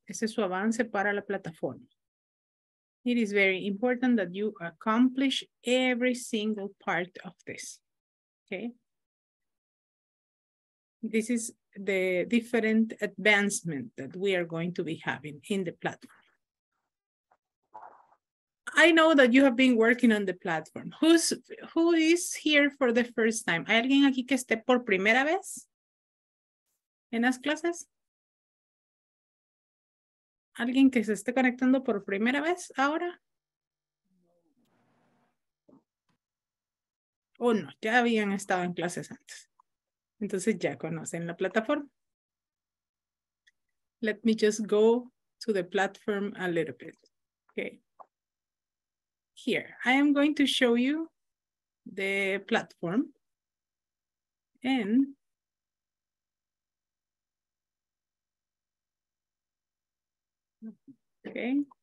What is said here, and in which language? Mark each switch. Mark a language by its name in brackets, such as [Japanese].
[Spanish] Ese es su avance para la plataforma. [English] It is very important that you accomplish every single part of this, okay? This is the different advancement that we are going to be having in the platform. I know that you have been working on the platform. Who is here for the first time? [Spanish] ¿Hay alguien aquí que esté por primera vez en las clases? ¿Alguien que se esté conectando por primera vez ahora? Oh, no, ya habían estado en clases antes. Entonces ya conocen la plataforma. [English] Let me just go to the platform a little bit. Okay. Here, I am going to show you the platform. And okay.